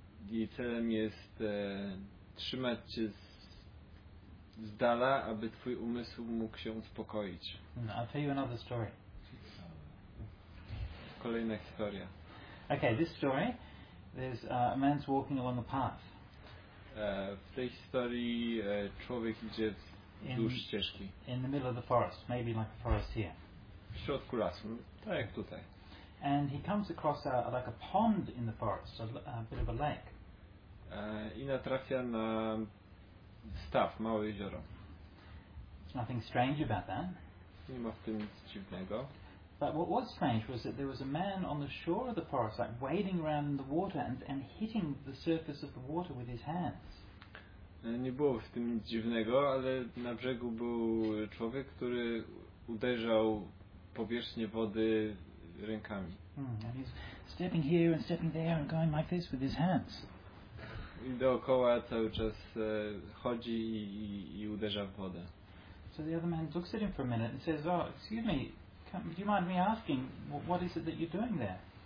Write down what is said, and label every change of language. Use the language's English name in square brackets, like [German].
[Polish] Jej celem jest trzymać cię z dala, aby twój umysł mógł się uspokoić. [English] I'll tell you another story. [Polish] Kolejna historia. [English] Okay, this story, there's a man's walking along a path. [Polish] W tej historii człowiek idzie wzdłuż ścieżki. [English] In the middle of the forest, maybe like a forest here. [Polish] W środku lasu, tak jak tutaj. [English] And he comes across like a pond in the forest, a bit of a lake. [Polish] I natrafia na staw, małe jezioro. [English] There's nothing strange about that. [Polish] Nie ma w tym nic dziwnego. [English] But what was strange was that there was a man on the shore of the forest, like wading around in the water and hitting the surface of the water with his hands. [Polish] Nie było w tym nic dziwnego, ale na brzegu był człowiek, który uderzał powierzchnię wody rękami. [English] And he's stepping here and stepping there and going like this with his hands. [Polish] I dookoła cały czas chodzi i uderza w wodę. [English] So the other man looks at him for a minute and says, oh, excuse me, do you mind me asking, what is it that you're doing there?